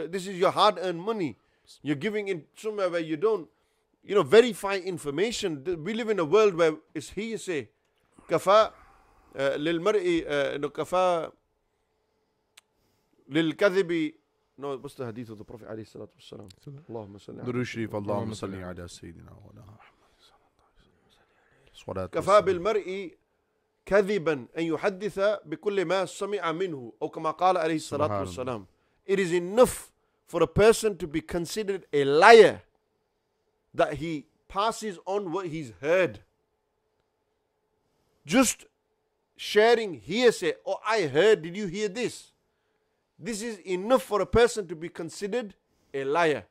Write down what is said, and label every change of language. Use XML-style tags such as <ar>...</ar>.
<en>This is your hard-earned money. You're giving in somewhere where you don't, you know, verify information. We live in a world where it's hearsay.</en> <ar>Kafa lil mar'i,</ar> <en>no,</en> <ar>kafa lil kadhibi.</ar> <en>No, what's the hadith of the Prophet, alayhi salatu wassalam?</en> <ar>Allahumma salli ala Sayyidina wa Allahumma salli ala Sayyidina wa Allah. كفى بالمرء كذبا أن يحدث بكل ما سمع منه أو كما قال عليه الصلاة والسلام.</ar> <en>It is enough for a person to be considered a liar that he passes on what he's heard. Just sharing hearsay, oh, I heard, did you hear this? This is enough for a person to be considered a liar.</en>